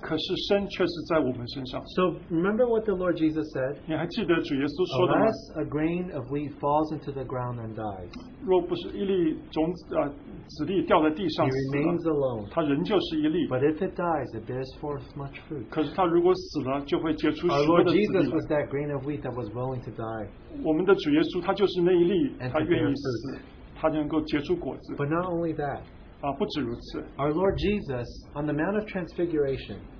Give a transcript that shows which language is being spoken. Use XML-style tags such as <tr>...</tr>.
<zh>可是生却是在我们身上。</zh> <en>So remember what the Lord Jesus said?</en> <zh>你还记得主耶稣说的吗?</zh> <en>Unless a grain of wheat falls into the ground and dies,</en> <zh>若不是一粒种子掉在地上死了,</zh> <en>he remains alone.</en> <zh>他仍旧是一粒,</zh> <en>but if it dies, it bears forth much fruit.</en> <zh>可是他如果死了就会结出许多的子粒。</zh> <en>Our Lord Jesus was that grain of wheat that was willing to die.</en> <zh>我们的主耶稣他就是那一粒, 他愿意死, 他能够结出果子。</zh> <en>But not only that,</en> <zh>不止如此,</zh> <en>our Lord Jesus on the Mount of Transfiguration,</en>